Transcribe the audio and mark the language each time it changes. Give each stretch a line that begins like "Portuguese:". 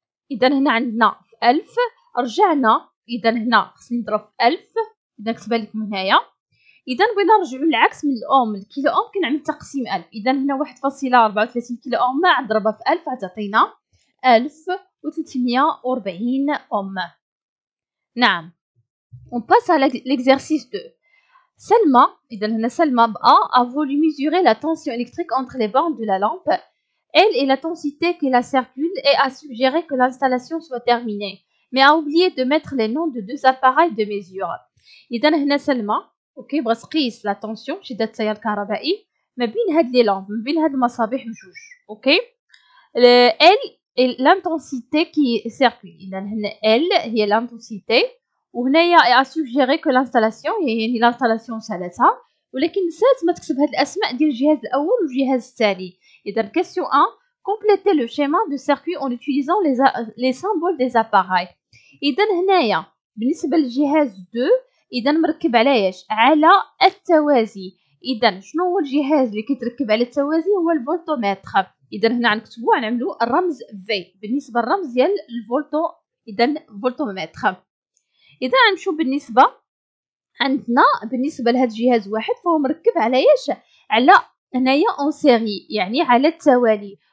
Arabic: إذا هنا عندنا في 1000، رجعنا إذا هنا خصني نضرب في 1000، إذا كتبها لكم هنايا. إذا بغينا نرجعو للعكس، من الأم لكيلو أم كنعمل تقسيم 1000، إذا هنا 1.34 كيلو أم نضربها في 1000 تعطينا 1340 أم.
French: نعم، on passe à l'exercice 2. سلمى،
Arabic: إذا هنا سلمى بأ
French: a voulu mesurer la tension électrique entre les bornes de la lampe. Elle et l'intensité qui la circule et a suggéré que l'installation soit terminée, mais a oublié de mettre les noms de deux appareils de mesure.
Arabic: إذا هنا سلمى، أوكي بغات تقيس لا تونسيون شدة التيار الكهربائي ما بين هاد لي لامب، ما بين هاد المصابيح بجوج، أوكي؟
French: elle l'intensité qui circule.
Arabic: إذا هنا L هي l'intensité، وهنايا
French: a suggéré que l'installation
Arabic: يعني l'installation سالتها، ولكن سالت ما تكتب هاد الأسماء ديال الجهاز الأول والجهاز الثاني. إذا
French: question 1 compléter le schéma de circuit en utilisant les symboles des appareils.
Arabic: إذن هنايا بالنسبة لجهاز 2 إذن مركب على إيش؟ على التوازي. إذن شنو هو الجهاز اللي كيتركب على التوازي؟ هو الفولتوميتر. إذن هنا نكتبو نعملو الرمز في بالنسبة للرمز ديال الفولتو. إذن فولتوميتر. إذن نمشو بالنسبة عندنا بالنسبة لهذا الجهاز واحد فهو مركب على إيش؟ على هنايا أون سيري يعني على التوالي.